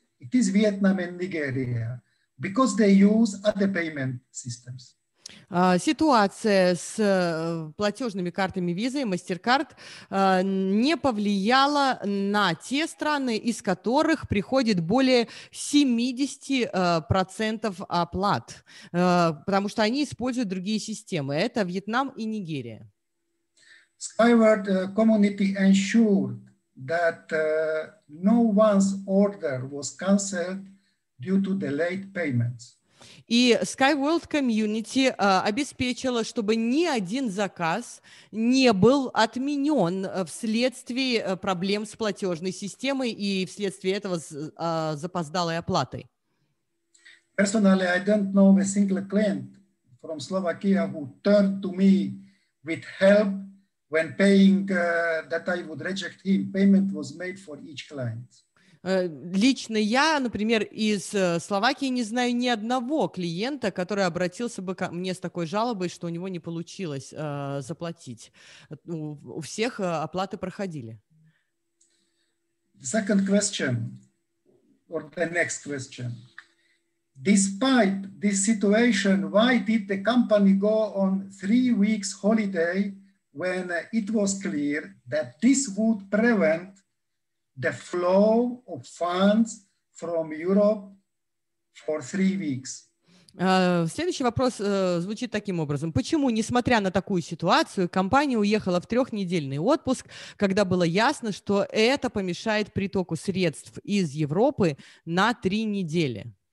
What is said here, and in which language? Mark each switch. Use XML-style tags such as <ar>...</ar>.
<en>It is Vietnam and Nigeria because they use other payment systems.</en> <ru>Ситуация с платежными картами Visa и MasterCard не повлияла на те страны, из которых приходит более 70% оплат, потому что они используют другие системы. Это Вьетнам и Нигерия.</ru> <en>Skyward Community ensured that no one's order was canceled due to delayed payments.</en> <ru>И SkyWorld Community обеспечила, чтобы ни один заказ не был отменен вследствие проблем с платежной системой и вследствие этого с запоздалой оплатой.</ru> <en>Personally, I don't know a single client from Slovakia who turned to me with help when paying that I would reject him. Payment was made for each client.</en> <ru>Лично я, например, из Словакии не знаю ни одного клиента, который обратился бы ко мне с такой жалобой, что у него не получилось заплатить. У всех оплаты проходили.</ru> <en>Second question, or the next question. Despite this situation, why did the company go on 3 weeks holiday when it was clear that this would prevent the flow of funds from Europe for 3 weeks.</en> <ru>Следующий вопрос звучит таким образом. Почему, несмотря на такую ситуацию, компания уехала в трехнедельный отпуск, когда было ясно, что это помешает притоку средств из Европы на 3 недели?</ru>